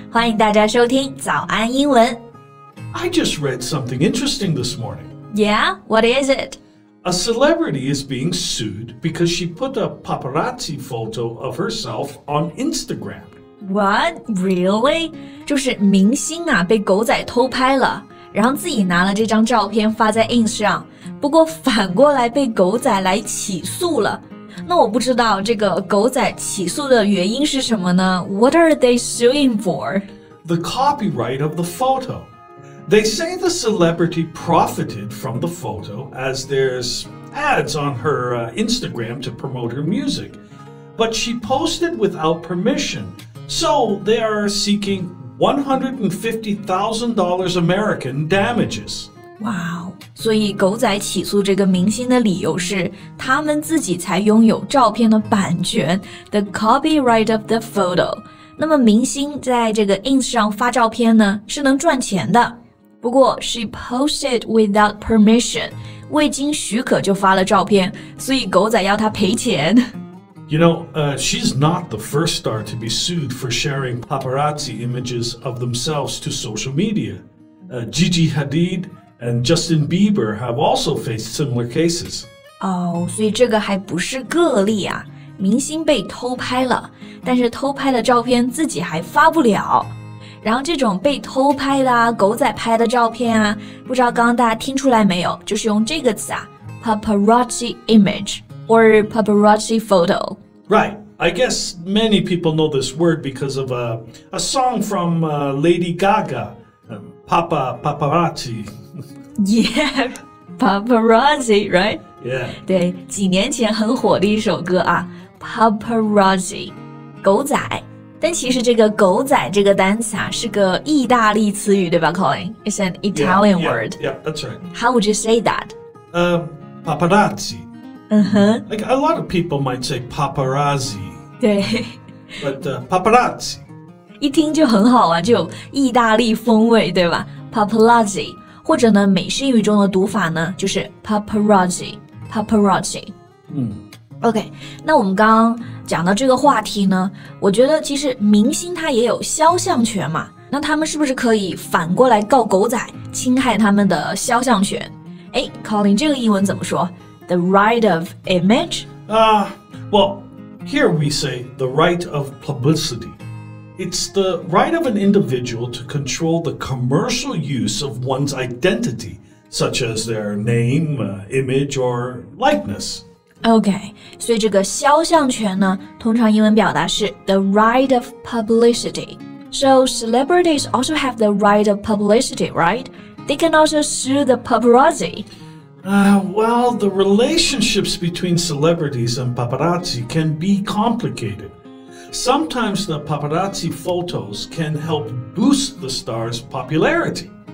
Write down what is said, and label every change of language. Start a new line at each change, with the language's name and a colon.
Chinese: 欢迎大家收听早安英文。
English: I just read something interesting this morning. Yeah, what is it? A celebrity is being sued because she put a paparazzi photo of herself on Instagram. What? Really?
Chinese: 就是明星啊被狗仔偷拍了。然后自己拿了这张照片发在 Ins 上，不过反过来被狗仔来起诉了。那我不知道这个狗仔起诉的原因是什么呢？
English: What are they suing for? The copyright of the photo. They say the celebrity profited from the photo as there's ads on her Instagram to promote her music. But she posted without permission. So they are seeking $150,000 American damages. Wow.
Chinese: 所以狗仔起诉这个明星的理由是他们自己才拥有照片的版权
English: the copyright of the photo.
Chinese: 那么明星在这个 Ins 上发照片呢是能赚钱的。不过
English: she posted without permission,
Chinese: 未经许可就发了照片所以狗仔要他赔钱。
English: You know, she's not the first star to be sued for sharing paparazzi images of themselves to social media. Gigi Hadid and Justin Bieber have also faced similar cases.
Chinese: Oh, 所以这个还不是个例啊。明星被偷拍了，但是偷拍的照片自己还发不了。然后这种被偷拍的啊，狗仔拍的照片啊，不知道刚刚大家听出来没有，就是用这个词啊
English: paparazzi image. Or paparazzi photo. Right. I guess many people know this word because of a song from Lady Gaga. Papa paparazzi. Yeah. Paparazzi, right? Yeah.
Chinese: 对几年前很火的一首歌啊 Paparazzi. 狗仔。但其实这个狗仔这个单词啊是个意大利词语对吧 Colin?
English: It's an Italian word. Yeah, that's right. How would you say that? Paparazzi. Uh-huh. Like a lot of people might say paparazzi.
Chinese: 对
English: But paparazzi.
Chinese: 一听就很好啊就意大利风味对吧 Paparazzi. 或者呢美式英语中的读法呢就是 paparazzi.
English: Paparazzi.、 Mm.
Chinese: OK, 那我们刚刚讲到这个话题呢我觉得其实明星他也有肖像权嘛那他们是不是可以反过来告狗仔侵害他们的肖像权哎 Colin, 这个英文怎么说
English: The right of image? Well, here we say the right of publicity. It's the right of an individual to control the commercial use of one's identity, such as their name, image, or likeness.
Chinese: Okay, 所以这个肖像权呢，通常英文表达是
English: the right of publicity. So celebrities also have the right of publicity, right? They can also sue the paparazzi. Well, the relationships between celebrities and paparazzi can be complicated. Sometimes the paparazzi photos can help boost the star's popularity.